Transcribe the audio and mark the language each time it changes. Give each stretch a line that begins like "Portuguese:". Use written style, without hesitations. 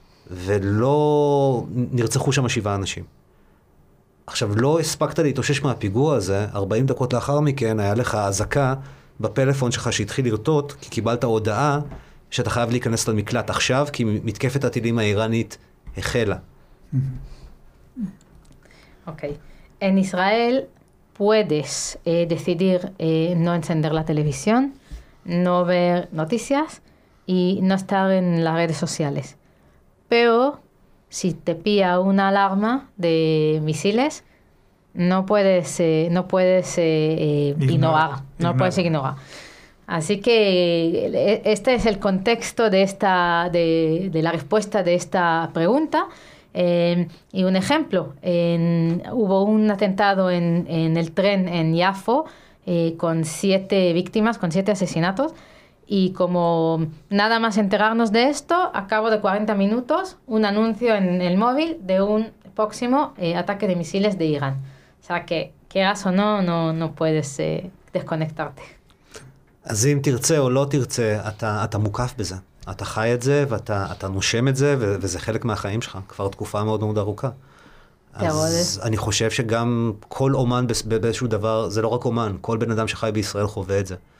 Hebrew: ולא נרצחו שם 7 אנשים. עכשיו, לא הספקת להתאושש מהפיגוע הזה, 40 דקות לאחר מכן היה לך אזעקה בפלאפון שלך שהתחיל לרטוט, כי קיבלת הודעה שאתה חייב להיכנס למקלט עכשיו, כי מתקפת הטילים האיראנית החלה. אוקיי.
Spanish: En Israel puedes decidir no encender la televisión. no ver noticias y no estar en las redes sociales. Pero si te pilla una alarma de misiles, no puedes ignorar. Así que este es el contexto de la respuesta de esta pregunta. Y un ejemplo, hubo un atentado en el tren en Yafo con 7 víctimas, con 7 asesinatos. Y como nada más enterarnos de esto, a cabo de 40 minutos, un anuncio en el móvil de un próximo ataque de misiles de Irán. O sea que, quieras o no, no puedes desconectarte.
Hebrew: אז אם תרצה או לא תרצה, אתה מוקף בזה. אתה חי את זה, ואתה נושם את זה, וזה חלק מהחיים שלך, כבר תקופה מאוד מאוד ארוכה. אז אני חושב שגם כל אומן באיזשהו דבר, זה לא רק אומן, כל בן אדם שחי בישראל חווה את זה.